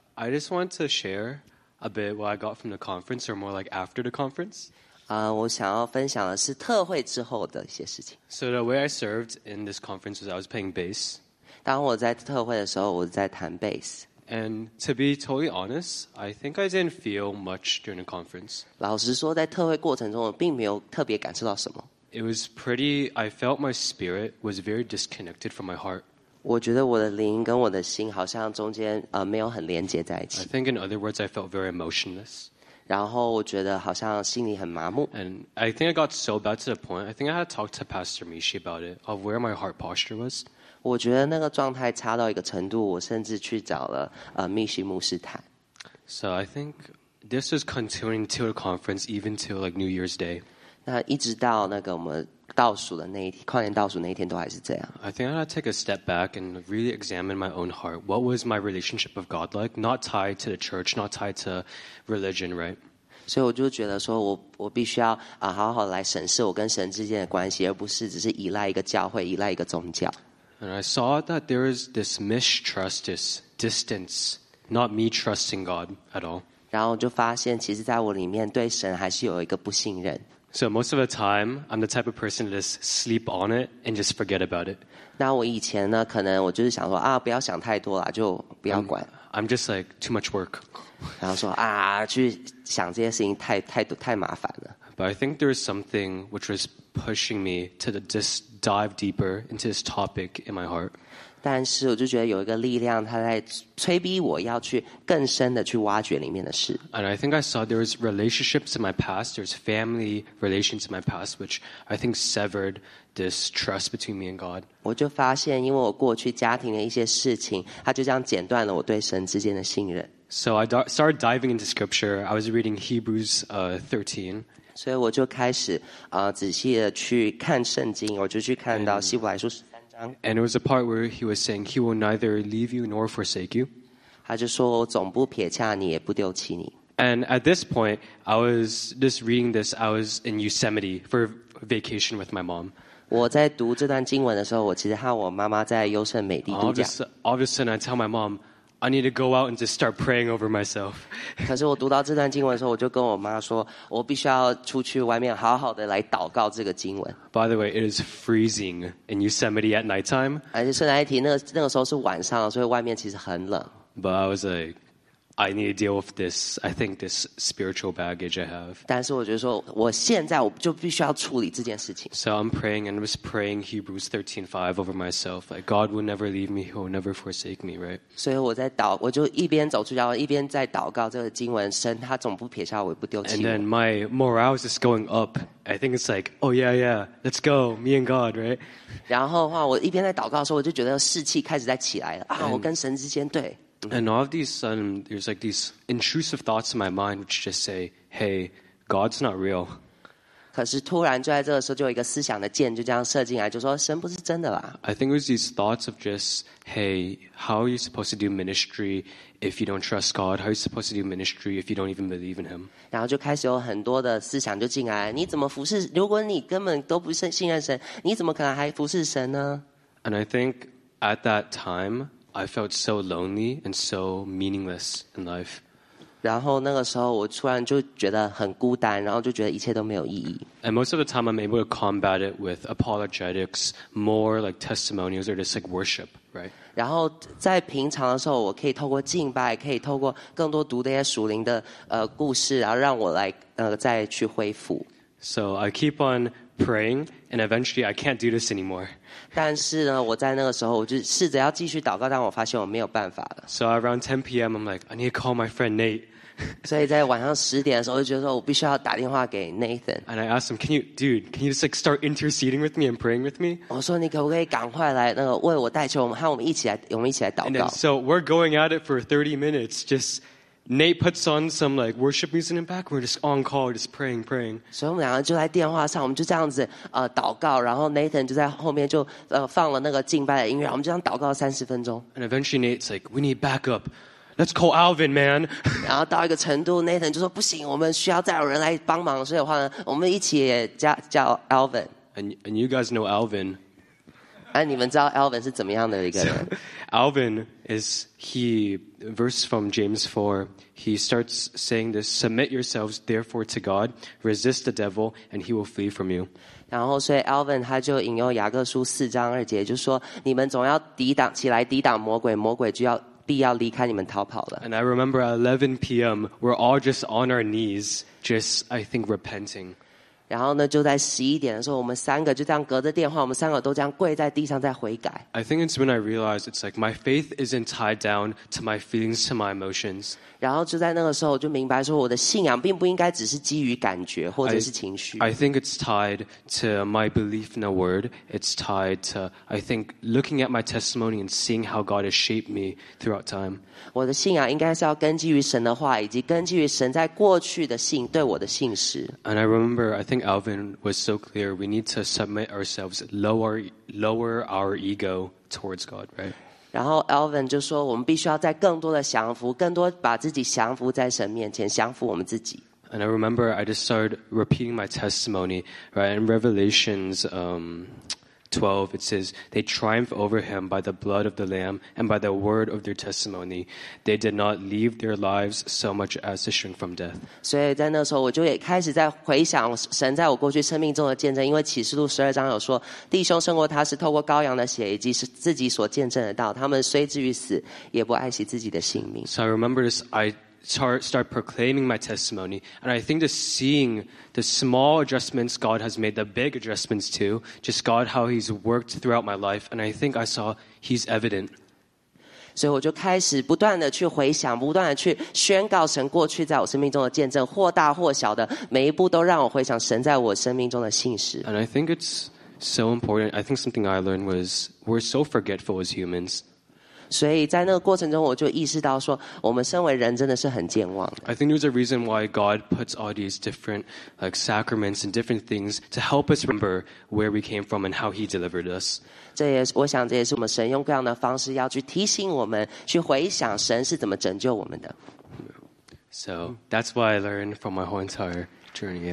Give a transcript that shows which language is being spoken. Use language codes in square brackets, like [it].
[en] I just want to share a bit what I got from the conference, or more like after the conference. [zh] 我想要分享的是特会之后的一些事情。 [en] So the way I served in this conference was I was playing bass. [zh] 当我在特会的时候，我在弹 bass。 [en] And to be totally honest, I think I didn't feel much during the conference. [zh] 老实说，在特会过程中，我并没有特别感受到什么。 [en] It was pretty. I felt my spirit was very disconnected from my heart. [zh] 我觉得我的灵跟我的心好像中间没有很连接在一起。 [en] I think in other words, I felt very emotionless. [zh] 然后我觉得好像心里很麻木。 [en] And I think I got so bad to the point. I think I had to talk to Pastor Mishi about it, of where my heart posture was. [zh] 我觉得那个状态差到一个程度，我甚至去找了密西牧师谈。 [en] So I think this is continuing to the conference, even to like New Year's Day. [zh] 那一直到那个我们倒数的那一天，跨年倒数那一天都还是这样。 [en] I think I had to take a step back and really examine my own heart. What was my relationship with God like? Not tied to the church, not tied to religion, right? [zh] 所以我就觉得说我必须要好好来审视我跟神之间的关系，而不是只是依赖一个教会，依赖一个宗教。 [en] And I saw that there is this mistrust, this distance, not me trusting God at all. [zh] 然后就发现其实在我里面对神还是有一个不信任。 [en] So most of the time, I'm the type of person to just sleep on it and just forget about it. [zh] 那我以前呢，可能我就是想说啊，不要想太多了，就不要管。 [en] I'm just like too much work. [zh] 然后说啊，去想这些事情太麻烦了。 [en] But I think there is something which was pushing me to just dive deeper into this topic in my heart. [zh] 但是我就觉得有一个力量，它在催逼我要去更深的去挖掘里面的事。 [en] And I think I saw there was relationships in my past, there's family relations in my past, which I think severed this trust between me and God. [zh] 我就发现，因为我过去家庭的一些事情，它就这样剪断了我对神之间的信任。 [en] So I started diving into scripture. I was reading Hebrews 13. [zh] 所以我就开始仔细的去看圣经，我就去看到希伯来书。 [en] And it was a part where he was saying he will neither leave you nor forsake you. [zh] 他就说我总不撇下你，也不丢弃你。 [en] And at this point, I was just reading this. I was in Yosemite for vacation with my mom. [zh] 我在读这段经文的时候，我其实和我妈妈在优胜美地度假。 [en] All of a sudden, I tell my mom, I need to go out and just start praying over myself. [zh] 可是我读到这段经文的时候，我就跟我妈说，我必须要出去外面好好的来祷告这个经文。 [en] By the way, it is freezing in Yosemite at nighttime. [zh] 而且顺带一提，那个时候是晚上，所以外面其实很冷。 [en] But I was like, I need to deal with this. I think this spiritual baggage I have. [zh] 但是我觉得说，我现在我就必须要处理这件事情。 [en] So I'm praying and was praying Hebrews 13:5 over myself. Like God will never leave me. He will never forsake me. Right. [zh] 所以我在祷，我就一边走出家门，一边在祷告这个经文，神他总不撇下我，不丢弃我。 [en] And then my morale is just going up. I think it's like, oh yeah, yeah, let's go, me and God, right? [zh] 然后的话，我一边在祷告的时候，我就觉得士气开始在起来了啊！ [en] And, [zh] 我跟神之间对。 [en] And all of these sudden, there's like these intrusive thoughts in my mind which just say, hey, God's not real. [zh] 可是突然就在这个时候，就有一个思想的箭就这样射进来，就说神不是真的啦。 [en] I think it was these thoughts of just, hey, how are you supposed to do ministry if you don't trust God? How are you supposed to do ministry if you don't even believe in Him? [zh] 然后就开始有很多的思想就进来，你怎么服侍？如果你根本都不信任神，你怎么可能还服侍神呢？ [en] And I think at that time,I felt so lonely and so meaningless in life. [zh] 然后那个时候，我突然就觉得很孤单，然后就觉得一切都没有意义。 [en] And most of the time, I'm able to combat it with apologetics, more like testimonials or just like worship, right? [zh] 然后在平常的时候，我可以透过敬拜，可以透过更多读的一些属灵的故事，然后让我来再去恢复。 [en] So I keep on. Praying, and eventually I can't do this anymore. [zh] 但是呢，我在那个时候，我就试着要继续祷告，但我发现我没有办法了。 [en] So around 10 p.m., I'm like, I need to call my friend Nate. [zh] 所以在晚上十点的时候，我就觉得说我必须要打电话给 Nathan. [en] And I asked him, can you just like start interceding with me and praying with me? [zh] 我说你可不可以赶快来那个为我代求，我们一起来祷告。 [en] And then, so we're going at it for 30 minutes, just. Nate puts on some like worship music in the back. We're just on call, just praying. So we [zh] 两个就在电话上，我们就这样子祷告。然后 Nathan 就在后面就放了那个敬拜的音乐，我们就这样祷告三十分钟。 [en] And eventually Nate's like, "We need backup. Let's call Alvin, man." [zh] 然后到一个程度 ，Nathan 就说不行，我们需要再有人来帮忙。所以的话呢，我们一起也叫 Alvin. [en] And you guys know Alvin. [zh] 哎，你们知道 Alvin 是怎么样的一个人 [en] ？Alvin is he verse from James 4. He starts saying this: Submit yourselves therefore to God, resist the devil, and he will flee from you. [zh] 然后，所以 Alvin 他就引用雅各书四章二节，就说：你们总要抵挡起来，抵挡魔鬼，魔鬼就要必要离开你们逃跑了。 [en] And I remember at 11 p.m. we're all just on our knees, just I think repenting. [zh] 然后呢，就在十一点的时候，我们三个就这样隔着电话，我们三个都这样跪在地上在悔改。 [en] I think it's when I realized it's like my faith isn't tied down to my feelings, to my emotions. [zh] 然后就在那个时候，我就明白说，我的信仰并不应该只是基于感觉或者是情绪。 [en] I think it's tied to my belief in the word. It's tied to I think looking at my testimony and seeing how God has shaped me throughout time. [zh] 我的信仰应该是要根基于神的话，以及根基于神在过去的信对我的信实。 [en] And I remember I think Alvin was so clear. We need to submit ourselves, lower our ego towards God, right? [zh] 然后 Alvin 就说，我们必须要在更多的降服，更多把自己降服在神面前，降服我们自己。 [en] And I remember I just started repeating my testimony, right? In Revelations 12, it says they triumph over him by the blood of the Lamb and by the word of their testimony. They did not leave their lives so much as to shrink from death. [zh] 所以在那时候，我就也开始在回想神在我过去生命中的见证，因为启示录十二章有说，弟兄胜过他是透过羔羊的血以及是自己所见证的道，他们虽至于死，也不爱惜自己的性命。 [en] So I remember this. I start proclaiming my testimony, and I think just seeing the small adjustments God has made, the big adjustments too, just God how He's worked throughout my life, and I think I saw He's evident. So I [zh] 就开始不断的去回想，不断的去宣告神过去在我生命中的见证，或大或小的每一步都让我回想神在我生命中的信实。 [en] And I think it's so important. I think something I learned was we're so forgetful as humans. [zh] 所以在那个过程中，我就意识到说，我们身为人真的是很健忘的。 [en] I think there's a reason why God puts all these different like sacraments and different things to help us remember where we came from and how He delivered us. [zh] 这也是我想，这也是我们神用各样的方式要去提醒我们，去回想神是怎么拯救我们的。 [en] So that's what I learned from my whole entire journey.